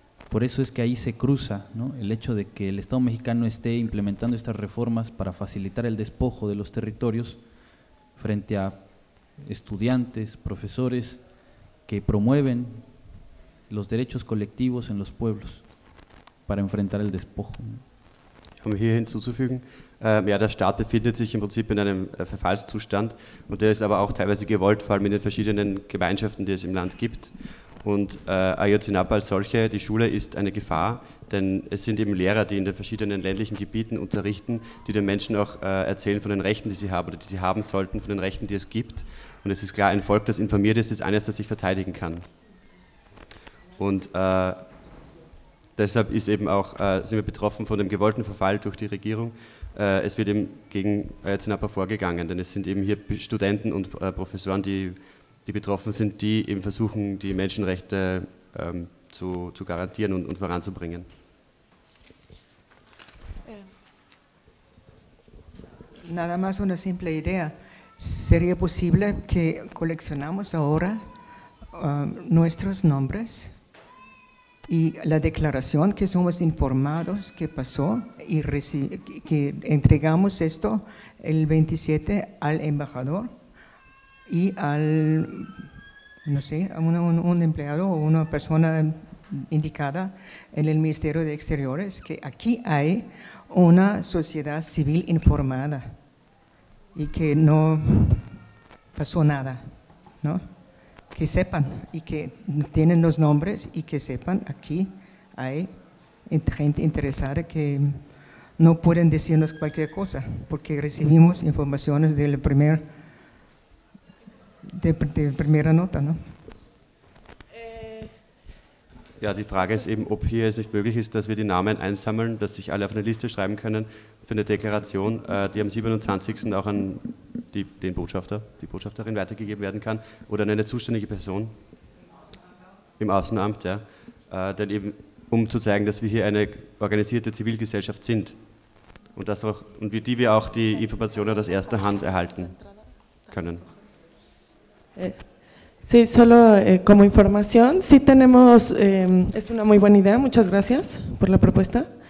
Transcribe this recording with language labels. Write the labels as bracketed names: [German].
[Spanish] Por eso es que ahí se cruza, ¿no?, el hecho de que el Estado mexicano esté implementando estas reformas para facilitar el despojo de los territorios frente a estudiantes, profesores que promueven los derechos colectivos en los pueblos para enfrentar el despojo, ¿no? [German] Hier hinzuzufügen, ja, der Staat befindet sich im Prinzip in einem Verfallszustand, und der ist aber auch teilweise gewollt, vor allem in den verschiedenen Gemeinschaften, die es im Land gibt. Und Ayotzinapa als solche, die Schule, ist eine Gefahr, denn es sind eben Lehrer, die in den verschiedenen ländlichen Gebieten unterrichten, die den Menschen auch erzählen von den Rechten, die sie haben oder die sie haben sollten, von den Rechten, die es gibt. Und es ist klar, ein Volk, das informiert ist, ist eines, das sich verteidigen kann. Und deshalb ist eben auch, sind wir betroffen von dem gewollten Verfall durch die Regierung. Es wird eben gegen Ayotzinapa vorgegangen, denn es sind eben hier Studenten und Professoren, die betroffen sind, die eben versuchen, die Menschenrechte zu garantieren und voranzubringen. [Spanish] Nada más una simple idea. Sería posible que coleccionamos ahora nuestros nombres y la declaración que somos informados que pasó y que entregamos esto el 27 al embajador y al, no sé, a un empleado o una persona indicada en el Ministerio de Exteriores, que aquí hay una sociedad civil informada y que no pasó nada, ¿no? Que sepan y que tienen los nombres y que sepan aquí hay gente interesada que no pueden decirnos cualquier cosa porque recibimos informaciones del primer de primera nota, ¿no? [German] Ja, die Frage ist eben, ob hier es nicht möglich ist, dass wir die Namen einsammeln, dass sich alle auf eine Liste schreiben können für eine Deklaration, die am 27. auch an den Botschafter, die Botschafterin weitergegeben werden kann, oder an eine zuständige Person im Außenamt, ja, denn eben, um zu zeigen, dass wir hier eine organisierte Zivilgesellschaft sind und dass auch, und wie die wir auch die Informationen aus erster Hand erhalten können. [Spanish] Sí, solo como información, sí tenemos, es una muy buena idea, muchas gracias por la propuesta.